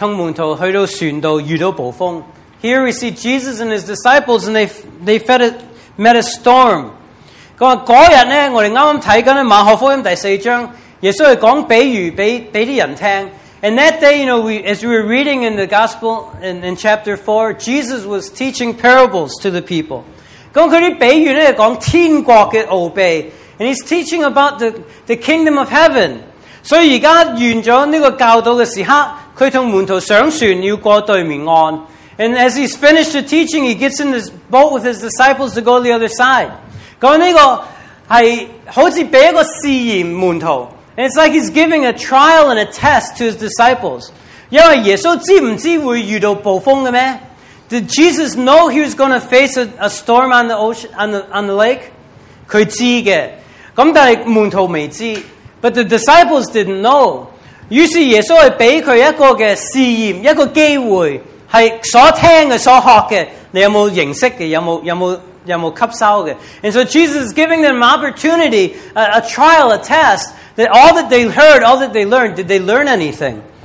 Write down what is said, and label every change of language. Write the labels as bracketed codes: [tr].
[zh] 这里见到耶稣和门徒去到船上遇到暴风。 [en] Here we see Jesus and his disciples, and they met a storm. [zh] 那天我们刚刚看马可福音第四章， 耶稣是讲比喻给人听。 [en] And that day, you know, as we were reading in the gospel in chapter 4, Jesus was teaching parables to the people. [zh] 那他的比喻是讲天国的奥秘。 [en] And he's teaching about the kingdom of heaven. [zh] 所以现在完了这个教导的时刻， 他和门徒上船要过对面岸。 [en] And as he's finished the teaching, he gets in this boat with his disciples to go to the other side. [zh] 那这个是好像给一个试验门徒。 [en] And it's like he's giving a trial and a test to his disciples. [zh] 因为耶稣知不知会遇到暴风的吗？ [en] Did Jesus know he was going to face a storm on the ocean, on the lake? [zh] 他知的。但是门徒未知。 But the disciples didn't know. 于是耶稣给他一个试验，一个机会。是所听的，所学的。你有没有认识的，有没有吸收的。 [en] And so Jesus is giving them an opportunity, a trial, a test. That all that they heard, all that they learned, did they learn anything?